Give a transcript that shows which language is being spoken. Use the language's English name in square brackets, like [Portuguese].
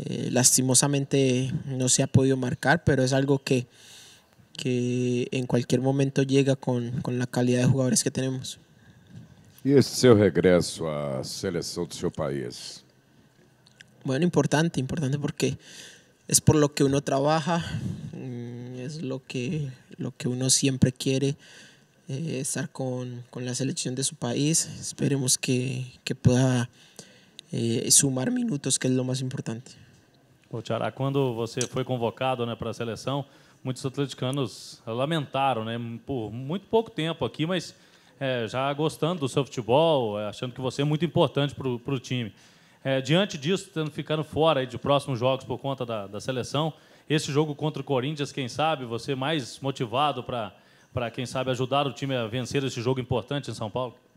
[Spanish] Lastimosamente no se ha podido marcar, pero es algo que en cualquier momento llega con la calidad de jugadores que tenemos. [Portuguese] E esse seu regresso à seleção do seu país? [Spanish] Bueno, importante porque é por lo que uno trabaja, é lo que uno siempre quiere, estar con la selección de su país. Esperemos que pueda sumar minutos, que es lo más importante. [Portuguese] Ô, Xará, quando você foi convocado, né, para a seleção, muitos atleticanos lamentaram, né, por muito pouco tempo aqui, mas já gostando do seu futebol, achando que você é muito importante para o time. Diante disso, tendo ficando fora aí de próximos jogos por conta da seleção, esse jogo contra o Corinthians, quem sabe, você mais motivado para, quem sabe, ajudar o time a vencer esse jogo importante em São Paulo?